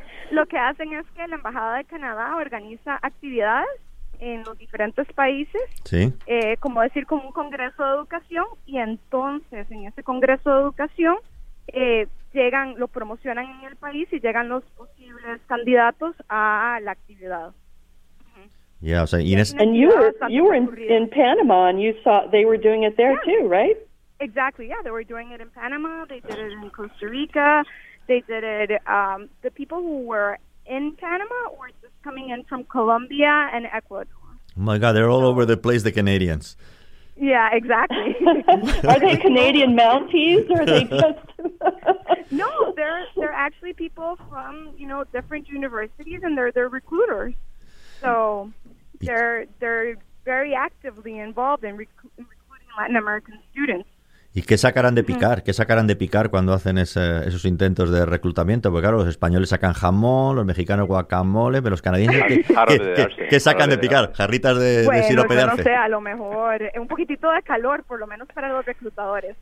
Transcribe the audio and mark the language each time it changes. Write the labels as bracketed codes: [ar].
[es] Lo que hacen es que la Embajada de Canadá organiza actividades en los diferentes países. Sí. Como decir, como un congreso de educación. Y entonces, en ese congreso de educación, llegan, lo promocionan en el país y llegan los posibles candidatos a la actividad. [en] Yeah, so Ines. And you were in Panama and you saw they were doing it there too, right? Exactly. Yeah, they were doing it in Panama. They did it in Costa Rica. They did it. The people who were in Panama were just coming in from Colombia and Ecuador. Oh my God, they're all over the place. The Canadians. Yeah, exactly. Are they Canadian Mounties, or are they just... No, they're actually people from, you know, different universities, and they're recruiters. So they're very actively involved in recruiting Latin American students. [es] ¿Y qué sacarán de picar? Mm-hmm. ¿Qué sacarán de picar cuando hacen esos intentos de reclutamiento? Porque claro, los españoles sacan jamón, los mexicanos guacamole, pero los canadienses, ¿qué sacan de picar? ¿Jarritas de sirope de arce? Bueno, no sé, a lo mejor un poquitito de calor, por lo menos para los reclutadores.